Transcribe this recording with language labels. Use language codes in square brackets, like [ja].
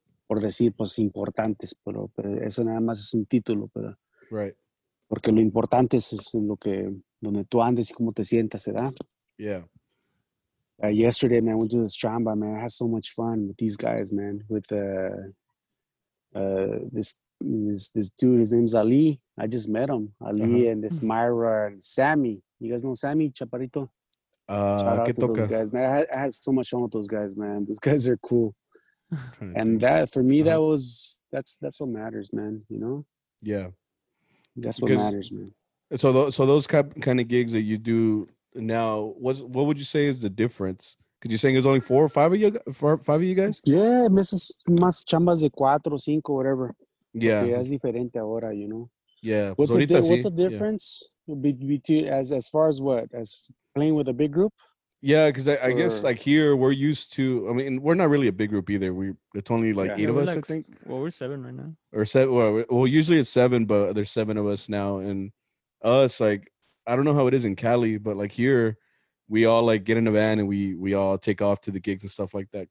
[es] por decir, pues, importantes, pero eso nada más es un título, pero [en] right. [es] Porque lo importante es lo que, donde tú andes y cómo te sientas, ¿verdad? [en] Yeah. Yesterday, man, I went to the Stramba, man. I had so much fun with these guys, man, with this dude, his name's Ali. I just met him. Ali and this Myra and Sammy. You guys know Sammy, Chaparrito? Shout out to those guys, man. I had so much fun with those guys, man. Those guys are cool. And that, for me, that was, that's what matters, man, you know? Yeah. That's what matters, man. So those kind of gigs that you do now, what would you say is the difference? Because you're saying there's only five of you guys? Yeah, [es] meses más chambas de cuatro, cinco, [en] whatever. Yeah. Okay, [es] es diferente ahora, [en] you know? Yeah. What's the difference between, as far as what? As playing with a big group? Yeah, because I guess like here we're used to, I mean, we're not really a big group either. It's only eight of us, I think. Well, we're seven right now. Usually it's seven, but there's seven of us now. And us, like, I don't know how it is in Cali, but like here, we all like get in a van and we all take off to the gigs and stuff like that.